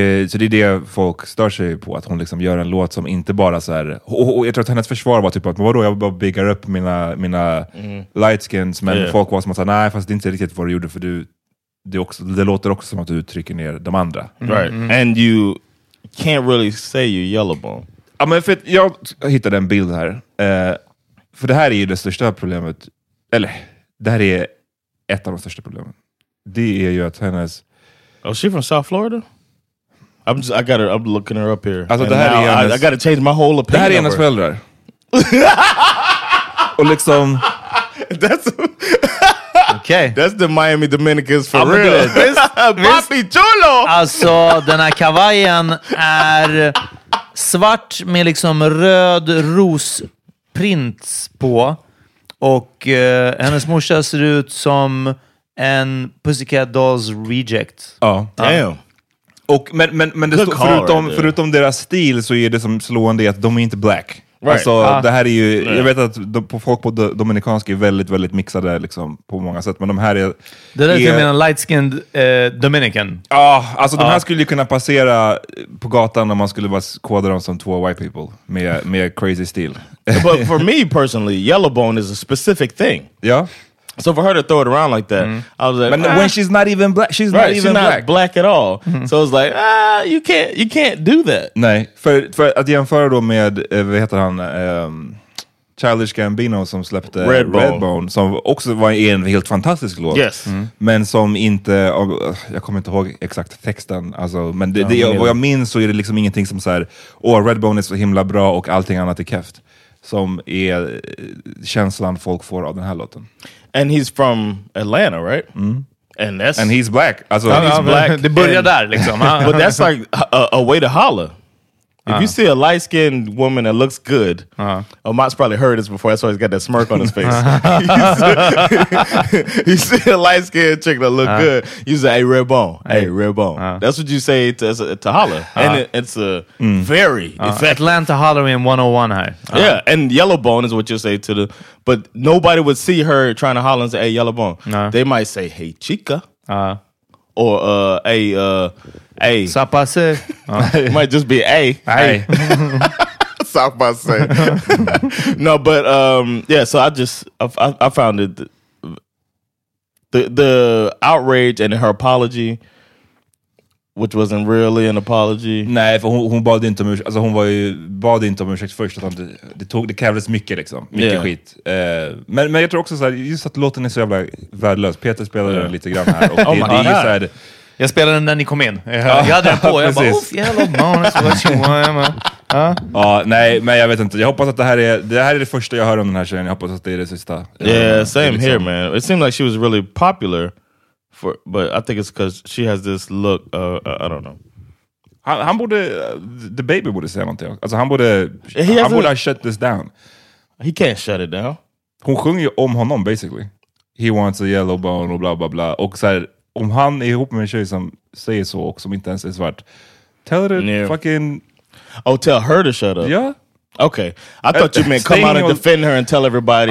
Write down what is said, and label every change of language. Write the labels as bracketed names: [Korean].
[Swedish] Så det är det folk stör sig på, att hon liksom gör en låt som inte bara så här, och jag tror att hennes försvar var typ att, vadå, jag bara biggar upp mina light skins, men folk var som att, nej, fast det är inte riktigt vad du gjorde, för det låter också som att du trycker ner de andra. [English] Right. And you can't really say you're yellow bone. [Swedish] Ja, men för jag hittade en bild här. För det här är ju det största problemet. Eller, det här är ett av de största problemen. Det är ju att hennes... [English] Oh, she from South Florida? I'm looking her up here. [Swedish] Alltså, det här är hennes... [English] I gotta change my whole opinion. [Swedish] Det här är hennes föräldrar. Och liksom... [English] That's... Okay. That's the Miami Dominicans for real. This Papi Cholo! [Swedish] Alltså, den här kavajen är svart med liksom röd rosprints på. Och hennes morsa ser ut som en Pussycat Dolls reject. Ja. [English] Damn. [Swedish] Och, men det förutom deras stil, så är det som slående att de är inte black. Right. Alltså, det här är ju, jag vet att folk på dominikanska är väldigt, väldigt mixade liksom, på många sätt. Men de här är... Det där är jag menar light-skinned Dominican. Ja, alltså de här skulle ju kunna passera på gatan om man skulle bara koda dem som två [English] white people [Swedish] med crazy stil. [English] But for me personally, yellow bone is a specific thing. [Swedish] Ja. [English] So for her to throw it around like that, I was like, but when she's not even black, she's not black at all. Mm-hmm. So I was like, you can't do that. [Swedish] Nej, för att jämföra då med vad heter han, Childish Gambino, som släppte Redbone, som också var en helt fantastisk låt. [English] Yes. [Swedish] Men som inte, jag kommer inte ihåg exakt texten, alltså, men vad jag minns, så är det liksom ingenting som så här, Redbone är så himla bra och allting annat är keft, som är känslan folk får av den här låten. [English] And he's from Atlanta, right? Mm. And that's... And he's black. [Swedish] Alltså, [English] and he's black. [Swedish] Det börjar där, liksom. [English] But that's like a way to holler. If you see a light-skinned woman that looks good... Matt's probably heard this before. That's why he's got that smirk on his face. You see a light-skinned chick that look good, you say, hey, red bone. Hey, red bone. That's what you say to holler. And it's a very effective... Atlanta Halloween 101, hey. Yeah, and yellow bone is what you say to the... But nobody would see her trying to holler and say, hey, yellow bone. They might say, hey, chica. Or, hey, hey. [French] Ça passe. [English] It might just be, hey. Hey. [French] Ça passe. [English] No, but, so I found it, the outrage and her apology, which wasn't really an apology. [Swedish] Nej, för hon bad inte om ursäkt. Alltså, hon var ju, bad inte om ursäkt först. Att det krävdes mycket, liksom. Mycket skit. Men jag tror också så här, just att låten är så jävla värdelös. Peter spelade den lite grann här. Och det är så här... Jag spelade den när ni kom in. Jag hade den på. Jag bara, oof, [English] yellow bone is what you want. [Swedish] Ja, nej, men jag vet inte. Jag hoppas att det här är det första jag hör om den här tjejen. Jag hoppas att det är det sista. [English] Yeah, same here, man. It seemed like she was really popular. But I think it's because she has this look. I don't know. [Swedish] Han borde, the baby borde säga någonting. Alltså han borde, han borde [English] shut this down. He can't shut it down. [Swedish] Hon sjunger om honom, basically. [English] He wants a yellow bone [Swedish] och bla bla bla. Och så här, om han är ihop med en tjej som säger så och som inte ens är svart. [English] Tell her to fucking... Oh, tell her to shut up. Yeah. Okay. I thought you meant come out and defend her and tell everybody.